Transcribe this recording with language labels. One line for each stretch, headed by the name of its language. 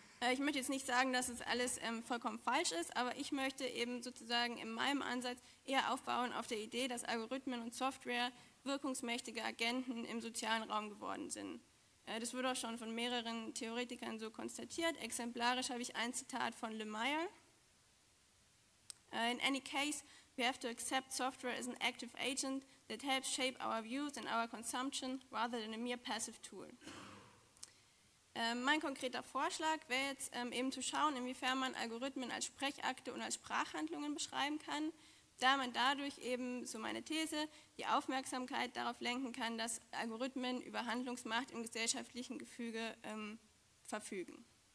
German: Ich möchte jetzt nicht sagen, dass es alles vollkommen falsch ist, aber ich möchte eben sozusagen in meinem Ansatz eher aufbauen auf der Idee, dass Algorithmen und Software wirkungsmächtige Agenten im sozialen Raum geworden sind. Das wurde auch schon von mehreren Theoretikern so konstatiert. Exemplarisch habe ich ein Zitat von Lemire.
English: In any case, we have to accept software as an active agent that helps shape our views and our consumption rather than a mere passive tool.
German: Mein konkreter Vorschlag wäre jetzt eben zu schauen, inwiefern man Algorithmen als Sprechakte und als Sprachhandlungen beschreiben kann, da man dadurch eben, so meine These, die Aufmerksamkeit darauf lenken kann, dass Algorithmen über Handlungsmacht im gesellschaftlichen Gefüge verfügen.